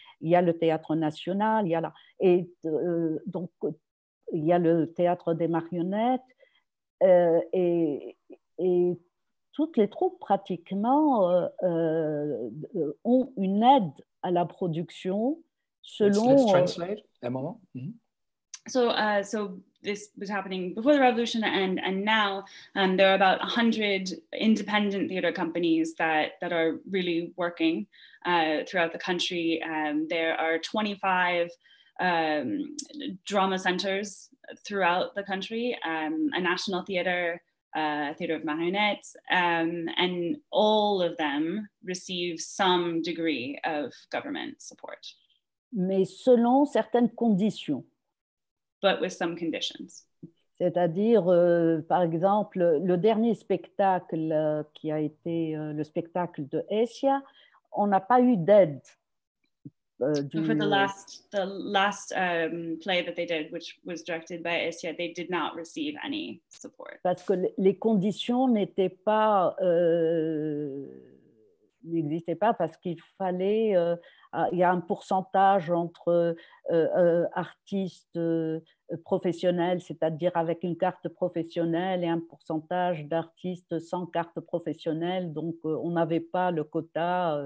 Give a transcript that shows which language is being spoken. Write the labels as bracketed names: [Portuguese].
[French] Il y a le théâtre national, il y a le théâtre des marionnettes, et toutes les troupes pratiquement ont une aide à la production selon. [English] Let's translate a moment. Mm-hmm. So this was happening before the revolution, and now there are about 100 independent theater companies that are really working throughout the country. There are 25 drama centers throughout the country, a national theater, theater of marionettes, and all of them receive some degree of government support. [French] Mais selon certaines conditions. [English] But with some conditions. [French] C'est-à-dire, par exemple, le dernier spectacle qui a été le spectacle de Esia, on n'a pas eu d'aide. [English] For the last play that they did, which was directed by Esia, they did not receive any support. [French] Parce que les conditions n'existaient pas parce qu'il fallait, il y a un pourcentage entre artistes professionnels, c'est-à-dire avec une carte professionnelle, et un pourcentage d'artistes sans carte professionnelle, donc on n'avait pas le quota.